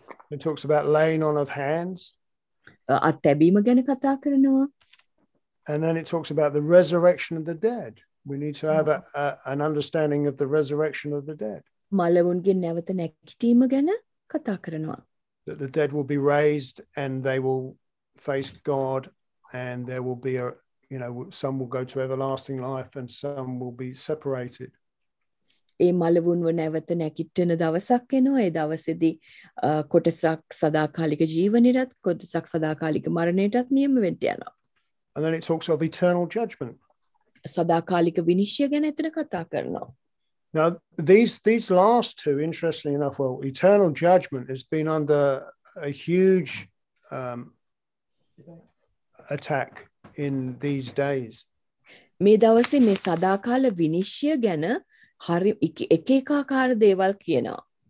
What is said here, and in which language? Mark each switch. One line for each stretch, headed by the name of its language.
English: It talks about laying on of hands.
Sinhala: අත්තැබීම ගැන කතා කරනවා.
English: And then it talks about the resurrection of the dead. We need to have an understanding of the resurrection of the dead.
Sinhala: මලවුන්ගේ නැවත නැගිටීම ගැන කතා කරනවා.
English: That the dead will be raised and they will face God and there will be a, you know, some will go to everlasting life and some will be separated.
Sinhala: ඒ මලවුන්ව නැවත නැගිටින දවසක් එනවා. ඒ දවසේදී කොටසක් සදාකාලික ජීවනයටත් කොටසක් සදාකාලික මරණයටත් නියම වෙන්න යනවා.
English: And then it talks of eternal judgment.
Sinhala: සදාකාලික විනිශ්චය ගැන එතන කතා කරනවා.
English: Now these last two, interestingly enough, well, eternal judgment has been under a huge attack in these days.
Sinhala: මේ දවස්වල මේ සදාකාල විනිශ්චය ගැන හරි එක එක ආකාර දේවල් කියනවා.